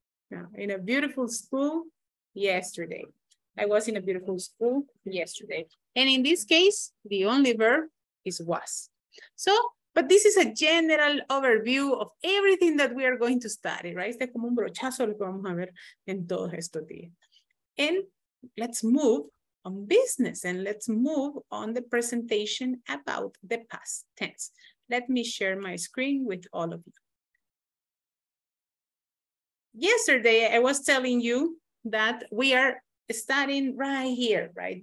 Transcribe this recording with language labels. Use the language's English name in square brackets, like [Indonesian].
[English] No. In a beautiful school yesterday. I was in a beautiful school yesterday. And in this case, the only verb is was. So, but this is a general overview of everything that we are going to study, right? [Spanish] Este es como un brochazo lo que vamos a ver en todos estos días. [English] And let's move on business and let's move on the presentation about the past tense. Let me share my screen with all of you. Yesterday, I was telling you that we are studying right here, right?